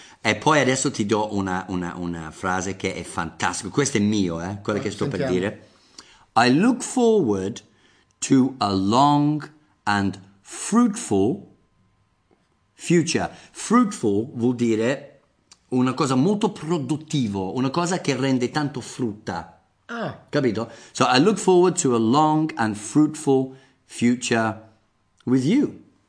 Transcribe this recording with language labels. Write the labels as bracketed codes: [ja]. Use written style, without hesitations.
[it] E poi adesso ti do una frase che è fantastica. Questo è mio, quello che sto sentiamo. Per dire. [en] I look forward to a long and fruitful future. [it] Fruitful vuol dire una cosa molto produttiva, una cosa che rende tanto frutta. Ah. Capito? [en] So I look forward to a long and fruitful future with you.